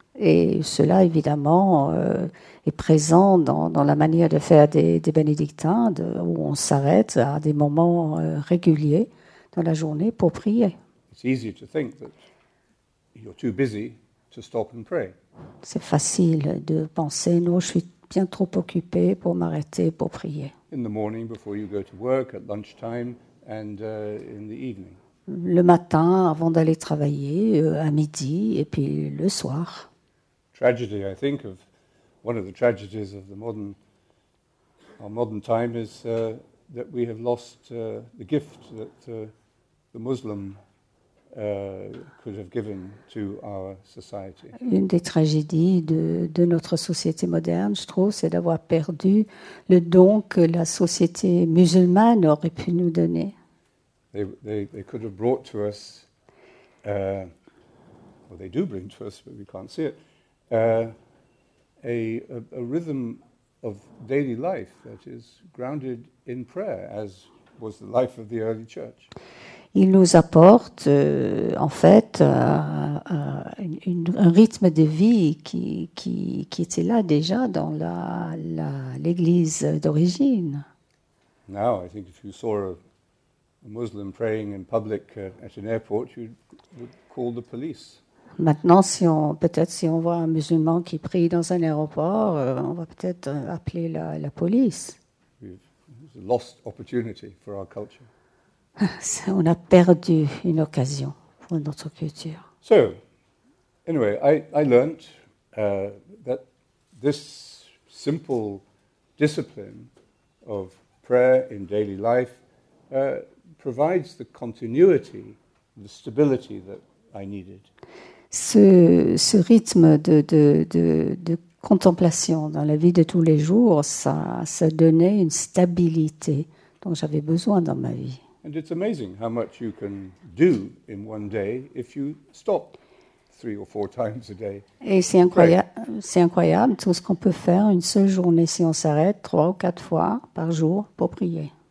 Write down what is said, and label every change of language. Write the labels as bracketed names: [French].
[French] Et cela, évidemment, est présent dans la manière de faire des bénédictins, où on s'arrête à des moments réguliers dans la journée pour prier. [English] It's easy to think that you're too busy to stop and pray. [French] C'est facile de penser, non, je suis bien trop occupé pour m'arrêter pour prier. [English] In the morning, before you go to work, at lunchtime, and in the evening. [French] Le matin, avant d'aller travailler, à midi, et puis le soir. [English] Tragedy, I think, of one of the tragedies of our modern time is that we have lost the gift that the Muslim could have given to our society. [French] Une des tragédies de notre société moderne, je trouve, c'est d'avoir perdu le don que la société musulmane aurait pu nous donner. [English] They could have brought to us, well, they do bring to us, but we can't see it. A rhythm of daily life that is grounded in prayer, as was the life of the early church. [French] Il nous apporte en fait un rythme de vie qui était là déjà dans l'église d'origine. [English] Now, I think if you saw a Muslim praying in public at an airport, you would call the police. [French] Maintenant, si on, peut-être si on voit un musulman qui prie dans un aéroport, on va peut-être appeler la police. [English] We've lost opportunity for our culture. [French] On a perdu une occasion pour notre culture. [English] So, anyway, I learned that this simple discipline of prayer in daily life provides the continuity, the stability that I needed. [French] Ce rythme de contemplation dans la vie de tous les jours, ça donnait une stabilité dont j'avais besoin dans ma vie. [English] And it's amazing how much you can do in one day if you stop three or four times a day. [French] Et c'est incroyable tout ce qu'on peut faire une seule journée si on s'arrête trois ou quatre fois par jour pour prier.